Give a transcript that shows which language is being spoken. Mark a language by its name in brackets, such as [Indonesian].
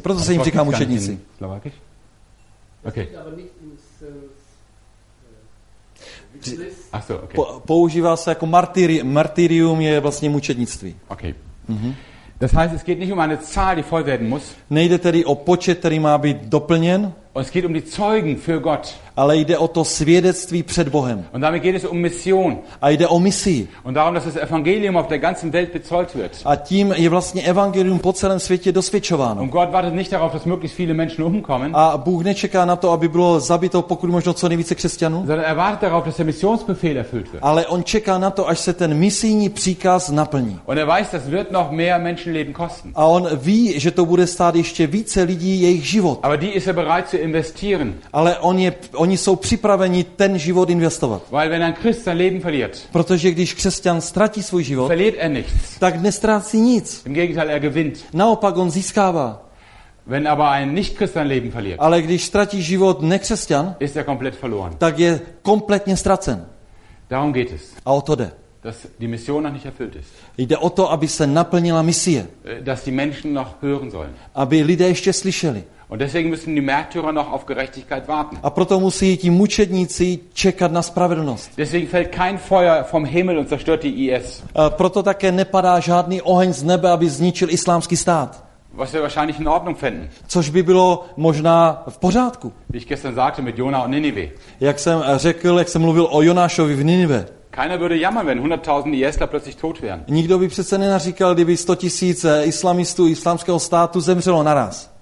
[Czech] Proto se jim říká mučedníci. Okay. [German] Achso, okay. [Czech] Používá se jako martyrium je vlastně mučednictví. Okay. Mm-hmm. [German] Das heißt, es geht nicht um eine Zahl, die voll werden muss. [Czech] Nejde tedy o počet, který má být doplněn. [German] Und es geht um die Zeugen für Gott. [Czech] Ale jde o to svědectví před Bohem. [German] Und damit geht es um Mission. [Czech] A jde o misi. [German] Und darum, dass das Evangelium auf der ganzen Welt bezeugt wird. [Czech] A tím je vlastně evangelium po celém světě dosvědčováno. [German] Und Gott wartet nicht darauf, dass möglichst viele Menschen umkommen. [Czech] A Bůh nečeká na to, aby bylo zabito pokud možno co nejvíce křesťanů. [German] Sondern er wartet darauf, dass der Missionsbefehl erfüllt wird. [Czech] Ale on čeká na to, až se ten misijní příkaz naplní. [German] Und er weiß, das wird noch mehr Menschenleben kosten. [Czech] A on ví, že to bude stát ještě více lidí jejich život. [German] Aber die ist er bereit zu investieren. [Czech] Ale on je oni jsou připraveni ten život investovat. [German] Weil wenn ein Christ sein Leben verliert, [Czech] protože když křesťan ztratí svůj život, [German] verliert er nichts, [Czech] tak nestrácí nic. [German] Im Gegenteil, er gewinnt. [Czech] Naopak on získává. [German] Wenn aber ein Nicht-Christ sein Leben verliert, [Czech] ale když ztratí život nekřesťan, [German] ist er komplett verloren. [Czech] Tak je kompletně ztracen. [German] Darum geht es. [Czech] A o to jde. [German] Dass die Mission noch nicht erfüllt ist. [Czech] Jde o to, aby se naplnila misie. [German] Dass die Menschen noch hören sollen. [Czech] Aby lidé ještě slyšeli. [German] Und deswegen müssen die Märtyrer noch auf Gerechtigkeit warten. [Czech] A proto musí ti mučedníci čekat na spravedlnost. [German] Deswegen fällt kein Feuer vom Himmel und zerstört die IS. [Czech] A proto také nepadá žádný oheň z nebe, aby zničil islámský stát. [German] Was wir wahrscheinlich in Ordnung fänden. [Czech] Což by bylo možná v pořádku. [German] Wie ich gestern sagte mit Jonah und Ninive. [Czech] Jak jsem řekl, jak jsem mluvil o Jonášovi v Ninive. [German] Keiner würde jammern, wenn 100.000 IS-ler plötzlich tot wären. [Czech] Nikdo by přece nenaříkal, kdyby 100 000 islamistů islámského státu zemřelo naraz.